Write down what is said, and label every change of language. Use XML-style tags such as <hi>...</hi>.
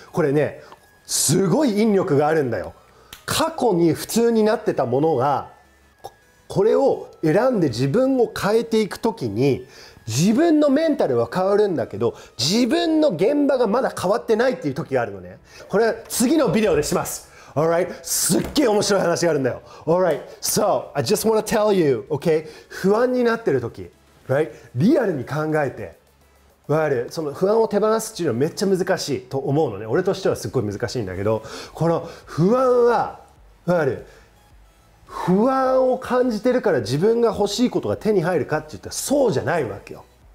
<ja>これねすごい引力があるんだよ。過去に普通になってたものがこれを選んで自分を変えていくときに自分のメンタルは変わるんだけど自分の現場がまだ変わってないっていう時があるのね。これは次のビデオでします。</ja> <en>All right?</en> <ja>すっげえ面白い話があるんだよ。</ja> <en>All right? So I just want to tell you, okay?</en> <ja>不安になってる時、right? リアルに考えて、その不安を手放すっていうのはめっちゃ難しいと思うのね。俺としてはすっごい難しいんだけど、この不安は不安を感じてるから自分が欲しいことが手に入るかって言ったらそうじゃないわけよ。</ja>